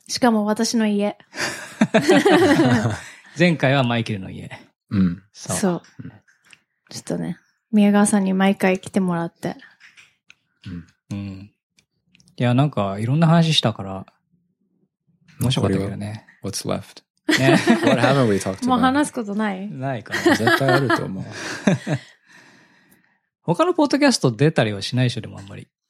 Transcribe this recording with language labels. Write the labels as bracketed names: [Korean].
[Japanese] しかも私の家。前回はマイケルの家。うん。そう。ちょっとね、宮川さんに毎回来てもらって。うん。うん、いや、なんかいろんな話したから、面白かったけどね。 [English] What's left?、ね、What haven't we talked about? [Japanese] もう話すことない? ないかな。絶対あると思う。他のポッドキャスト出たりはしないでしょ、でもあんまり。